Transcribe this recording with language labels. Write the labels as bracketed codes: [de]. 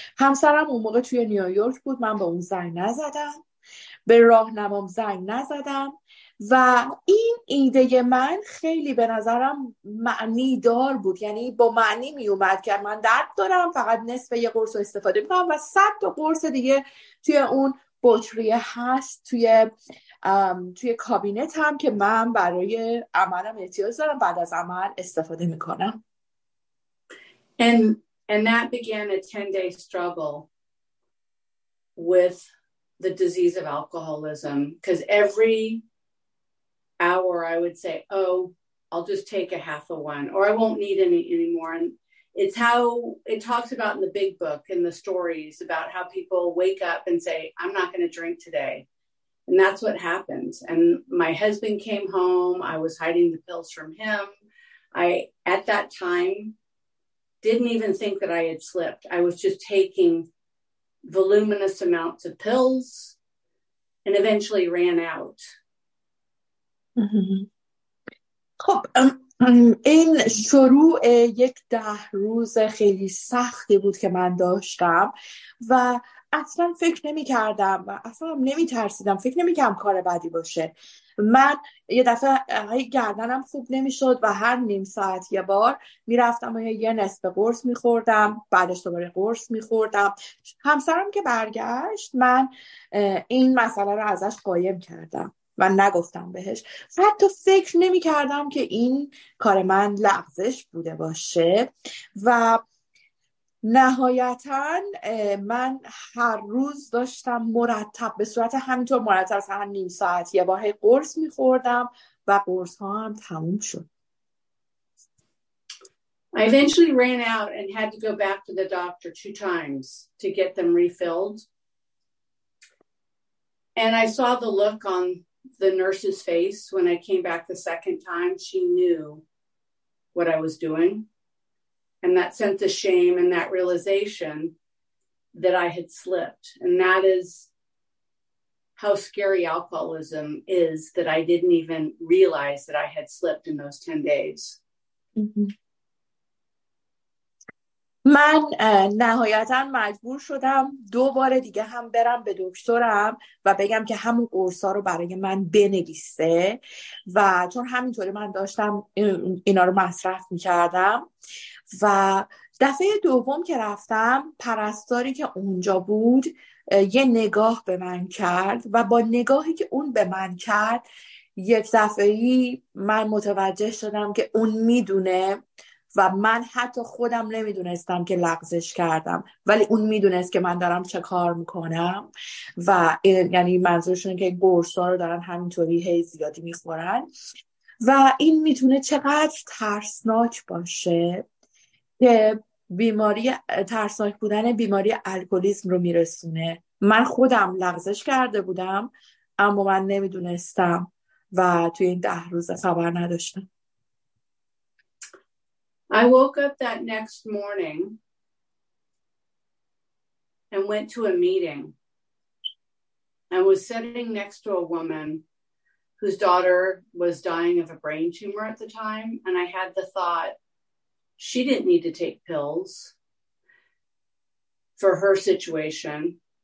[fa] همسرم اون موقع توی نیویورک بود، من به اون زنگ نزدم، به راهنمام زنگ نزدم و این ایده من خیلی به نظرم معنی دار بود، یعنی با معنی می اومد که من درد دارم، فقط نصف یه قرص رو استفاده می‌کنم و 100 تا قرص دیگه توی اون بطری هست توی کابینتم که من برای عملم احتیاج دارم، بعد از عمل استفاده میکنم. [en] And that began a 10-day struggle with the disease of alcoholism, because every hour I would say, oh, I'll just take a half of one, or I won't need any anymore. And it's how it talks about in the big book and the stories about how people wake up and say, I'm not going to drink today. And that's what happens. And my husband came home. I was hiding the pills from him. I, at that time, didn't even think that I had slipped. I was just taking voluminous amounts of pills and eventually ran out. [fa] خب این شروع یک 10 روز خیلی سختی بود که من داشتم و اصلا فکر نمی کردم و اصلا نمی ترسیدم، فکر نمی کردم کار بدی باشه. من یه دفعه گردنم خوب نمی شد و هر نیم ساعت یه بار می رفتم و یه نصف قرص می خوردم، بعدش دوباره قرص می خوردم. همسرم که برگشت من این مسئله رو ازش قایم کردم و نگفتم بهش. حتی فکر نمی کردم که این کار من لغزش بوده باشه و نهایتا من هر روز داشتم مرتب به صورت همینطور مرتب از هر نیم ساعت یه باره قرص می خوردم و قرص ها هم تموم شد. [en] I eventually ran out and had to go back to the doctor 2 times to get them refilled. And I saw the look on the nurse's face when I came back the second time. She knew what I was doing. And that sense of shame and that realization that I had slipped. And that is how scary alcoholism is, that I didn't even realize that I had slipped in those 10 days. [fa] من نهایتا مجبور شدم دوباره دیگه هم برم به دکترم و بگم که همون قرصا رو برای من بنویسه و چون همینطوری من داشتم اینا رو مصرف می‌کردم. و دفعه دوم که رفتم پرستاری که اونجا بود یه نگاه به من کرد و با نگاهی که اون به من کرد یک دفعه‌ای من متوجه شدم که اون میدونه و من حتی خودم نمیدونستم که لغزش کردم، ولی اون میدونست که من دارم چه کار میکنم و یعنی منظورشون که قرصا رو دارن همینطوری هی زیادی میخورن و این میتونه چقدر ترسناک باشه که بیماری ترسناک بودن بیماری الکلیسم رو میرسونه. من خودم لغزش کرده بودم اما من نمیدونستم و توی این 10 روز خبر نداشتم. [en] I woke up that next morning and went to a meeting. I was sitting next to a woman whose daughter was dying of a brain tumor at the time, and I had the thought, she didn't need to take pills for her situation.